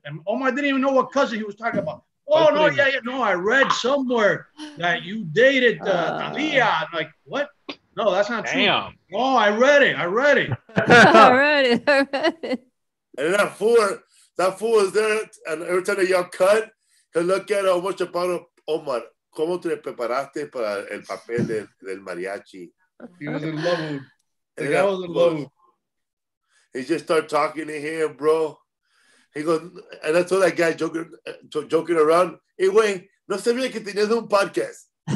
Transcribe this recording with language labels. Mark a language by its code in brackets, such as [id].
[en] And Omar didn't even know what cousin he was talking about. Oh, no, yeah, you know, I read somewhere that you dated Talia. I'm like, what? No, that's not true. Damn. Oh, I read it. I read it. And that fool was there, and every time they yell cut, he'll look at how much about Omar. [es] ¿Cómo te preparaste para el papel del, del mariachi? [en] He was in love. The guy was in love. He just started talking to him, bro. He goes, and I saw that guy joking around. [es] Hey, güey, no sabía que tenías un podcast.